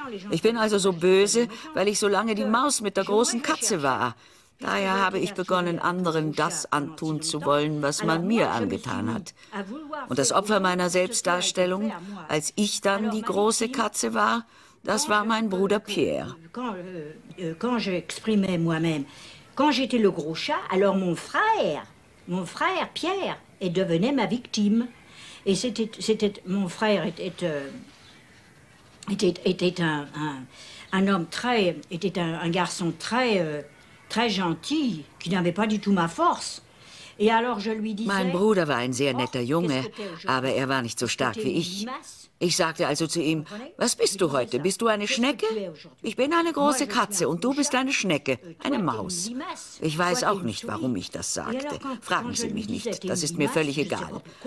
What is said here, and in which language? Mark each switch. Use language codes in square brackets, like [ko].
[de] Ich bin also so böse, weil ich so lange die Maus mit der großen Katze war. Daher habe ich begonnen, anderen das antun zu wollen, was man mir angetan hat. Und das Opfer meiner Selbstdarstellung, als ich dann die große Katze war, das war mein Bruder Pierre. [fr] Quand j'étais le gros chat, alors mon frère Pierre est devenu ma victime. Et c'était mon frère était un garçon très gentil qui n'avait pas du tout ma force. Et alors je lui disais. [de] Mein Bruder war ein sehr netter Junge, aber er war nicht so stark wie ich. Ich sagte also zu ihm, was bist du heute? Bist du eine Schnecke? Ich bin eine große Katze und du bist eine Schnecke, eine Maus. Ich weiß auch nicht, warum ich das sagte. Fragen Sie mich nicht, das ist mir völlig egal.